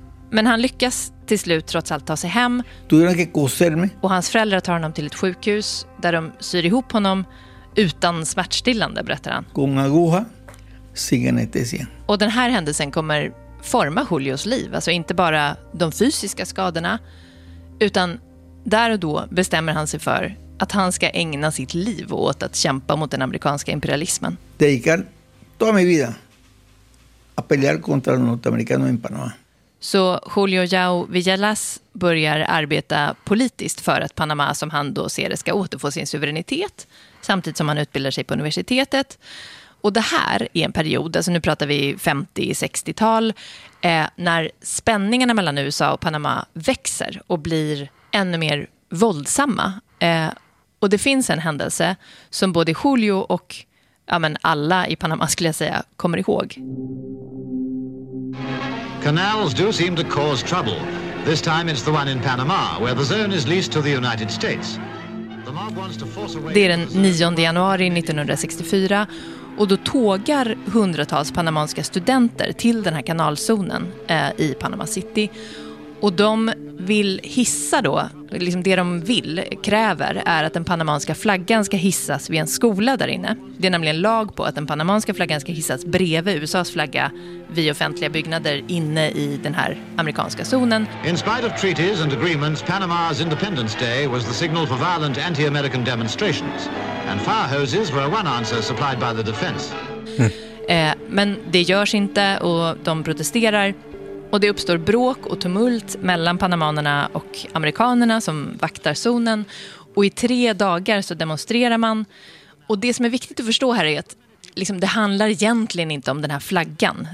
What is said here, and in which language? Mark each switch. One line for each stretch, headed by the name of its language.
Swedish: Men han lyckas till slut trots allt ta sig hem och hans föräldrar tar honom till ett sjukhus där de syr ihop honom utan smärtstillande, berättar han.
Spanish: Con aguja, sin anestesia.
Swedish: Och den här händelsen kommer forma Julios liv. Alltså inte bara de fysiska skadorna, utan där och då bestämmer han sig för att han ska ägna sitt liv åt att kämpa mot den amerikanska imperialismen.
Spanish: Dedicar toda mi vida a pelear contra los norteamericanos en Panamá.
Swedish: Så Julio João Villalas börjar arbeta politiskt för att Panama, som han då ser det, ska återfå sin suveränitet samtidigt som han utbildar sig på universitetet. Och det här är en period, alltså nu pratar vi 50-60-tal, när spänningarna mellan USA och Panama växer och blir ännu mer våldsamma. Och det finns en händelse som både Julio och, ja, men alla i Panama skulle jag säga kommer ihåg.
English: Canals do seem to cause trouble. This time it's the one in Panama, where the zone is leased to the United States. The mob wants to force away.
Swedish: Det är den 9 januari 1964 och då tågar hundratals panamanska studenter till den här kanalzonen i Panama City. Och de vill hissa då, liksom det de vill, kräver, är att den panamanska flaggan ska hissas vid en skola där inne. Det är nämligen lag på att den panamanska flaggan ska hissas bredvid USAs flagga vid offentliga byggnader inne i den här amerikanska zonen.
English: In spite of treaties and agreements, Panama's Independence Day was the signal for violent anti-American demonstrations. And fire hoses were one answer supplied by the defense.
Swedish: Men det görs inte och de protesterar. Och det uppstår bråk och tumult mellan panamanerna och amerikanerna som vaktar zonen. Och i 3 dagar så demonstrerar man. Och det som är viktigt att förstå här är att liksom, det handlar egentligen inte om den här flaggan.